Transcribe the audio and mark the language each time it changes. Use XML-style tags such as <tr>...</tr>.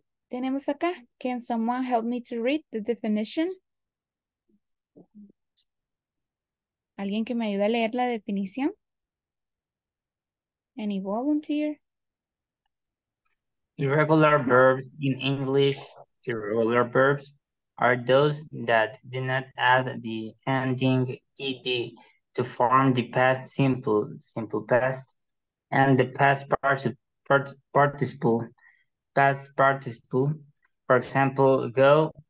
<es>Tenemos acá,</es> <en>can someone help me to read the definition?</en> <es>¿Alguien que me ayude a leer la definición?</es> <en>Any volunteer? Irregular verbs in English, irregular verbs are those that do not add the ending ed to form the past simple, simple past, and the past participle, past participle. For example, go</en>